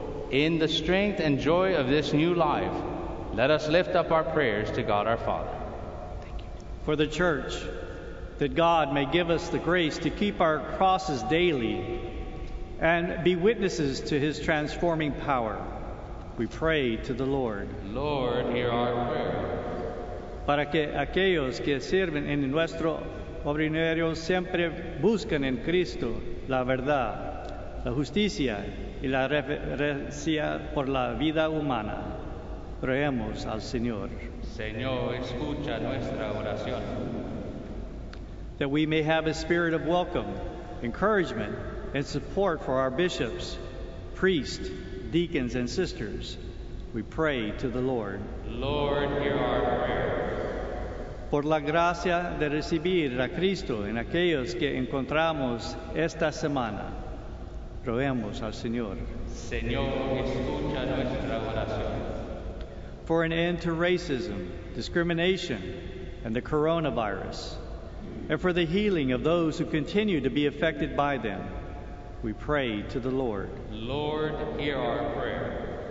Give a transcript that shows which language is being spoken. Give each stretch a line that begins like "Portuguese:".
English: In the strength and joy of this new life, let us lift up our prayers to God our Father. Thank you. For the church, that God may give us the grace to keep our crosses daily and be witnesses to his transforming power, we pray to the Lord. Lord, hear our prayer.
Spanish: Para que aquellos que sirven en nuestro obrinario siempre buscan en Cristo la verdad, la justicia y la reverencia por la vida humana, oremos al Señor. Señor, escucha nuestra oración.
English: That we may have a spirit of welcome, encouragement, and support for our bishops, priests, deacons, and sisters, we pray to the Lord. Lord, hear our prayer.
Spanish: Por la gracia de recibir a Cristo en aquellos que encontramos esta semana, roguemos al Señor. Señor, escucha nuestra oración.
English: For an end to racism, discrimination, and the coronavirus, and for the healing of those who continue to be affected by them, we pray to the Lord. Lord, hear our prayer.